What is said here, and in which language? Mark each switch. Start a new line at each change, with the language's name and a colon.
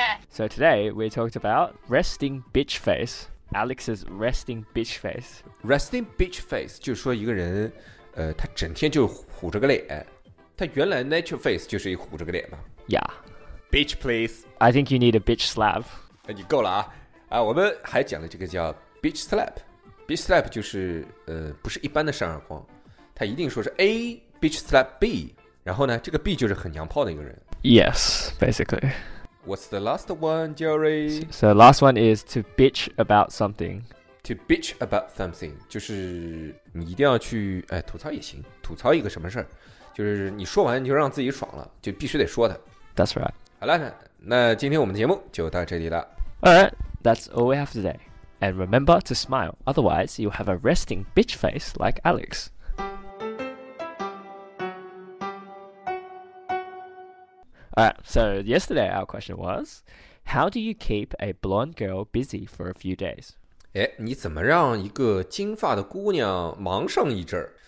English: So today we talked about resting bitch face. Alex's resting bitch face.
Chinese: Resting bitch face 就是说一个人，他整天就虎着个脸。他原来 natural face 就是一虎着个脸嘛。
English: Yeah. Bitch, please. I think you need a bitch slap.
Chinese: 你够了 啊我们还讲了这个叫 bitch slap bitch slap 就是不是一般的扇耳光他一定说是 A bitch slap B 然后呢这个 B 就是很娘炮的一个人
English: Yes, basically What's the last one, Jerry? So the last one is to bitch about something To bitch about something
Chinese: 就是你一定要去吐槽也行吐槽一个什么事就是你说完就让自己爽了就必须得说的
English: That's right
Chinese: 好了呢那今天我们的节目就到这里了。
English: Alright, that's all we have today. And remember to smile, otherwise you'll have a resting bitch face like Alex. Alright, so yesterday our question was, how do you keep a blonde girl busy for a few days?
Chinese: 哎，你怎么让一个金发的姑娘忙上一阵儿？